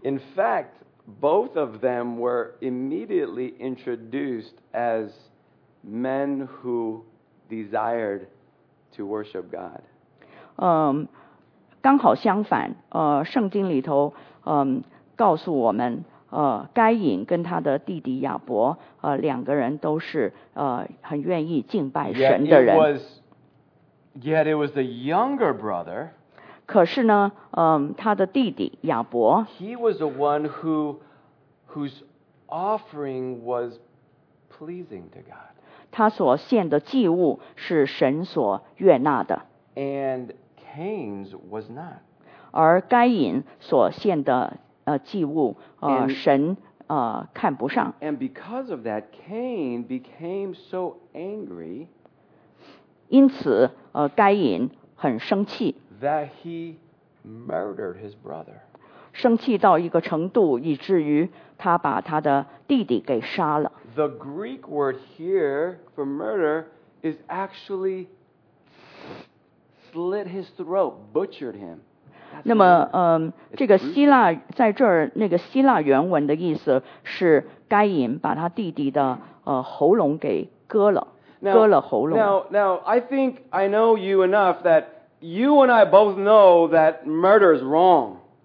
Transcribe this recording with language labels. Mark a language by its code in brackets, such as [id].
[en] In fact, both of them were immediately introduced as men who desired to worship God. [zh] 刚好相反，圣经里头，告诉我们，该隐跟他的弟弟亚伯，两个人都是，很愿意敬拜神的人。 [en] Yet it was the younger brother. [zh] 可是呢，他的弟弟亚伯。 [en] He was the one whose offering was pleasing to God. [zh] 他所献的祭物是神所悦纳的。 [en] And Cain's was not. [zh] 而该隐所献的祭物神看不上。 [en] And because of that, Cain became so angry. [zh] 因此该隐很生气。 [en] That he murdered his brother. [zh] 生气到一个程度，以至于他把他的弟弟给杀了。 [en] The Greek word here for murder is actually slit his throat, butchered him. [zh] 那么，这个希腊在这儿那个希腊原文的意思是该隐把他弟弟的喉咙给割了，割了喉咙。 [en] Now, I think I know you enough that you and I both know that murder is wrong.